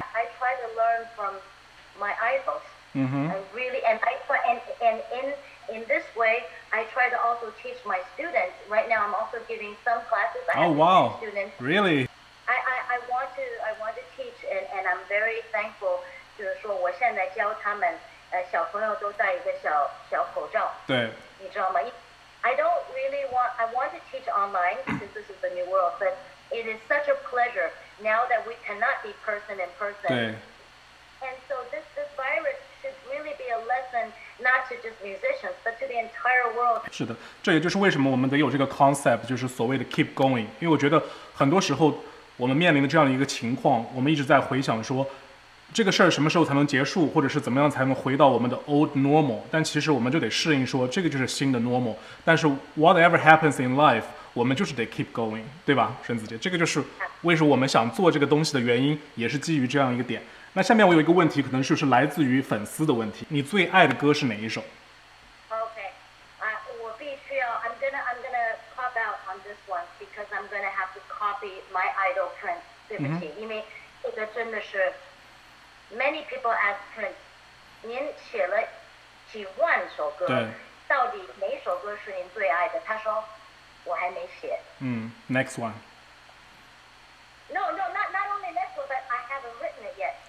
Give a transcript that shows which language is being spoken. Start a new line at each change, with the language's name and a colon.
English: I try to learn from my idols. And in this way, I try to also teach my students. Right now, I'm also giving some classes. Students. Really? I want to teach, and I'm very thankful.
Chinese: 就是说我现在教他们，小朋友都戴一个小口罩。对。你知道吗？
English: I want to teach online, since this is the new world, but it is such a pleasure. Now that we cannot be person in person. And so this virus should really be a lesson not to just musicians, but to the entire world.
Chinese: 是的，这也就是为什么我们得有这个 concept， 就是所谓的
English: keep going。
Chinese: 因为我觉得很多时候我们面临的这样一个情况，我们一直在回想说这个事儿什么时候才能结束，或者是怎么样才能回到我们的
English: old normal。
Chinese: 但其实我们就得适应说这个就是新的 normal。但是
English: whatever happens in life，
Chinese: 我们就是得
English: keep going，
Chinese: 对吧，顺子姐？这个就是为什么我们想做这个东西的原因，也是基于这样一个点。那下面我有一个问题，可能就是来自于粉丝的问题。你最爱的歌是哪一首
English: ？OK，
Chinese: 我必须要
English: ，I'm gonna cop out on this one because I'm gonna have to copy my idol Prince。
Chinese: 对不起，因为这个真的是
English: many people ask Prince，
Chinese: 您写了几万首歌，对，到底哪首歌是您最爱的？他说。我还没写。
English: Next one. No, not only next one, but I haven't written it yet.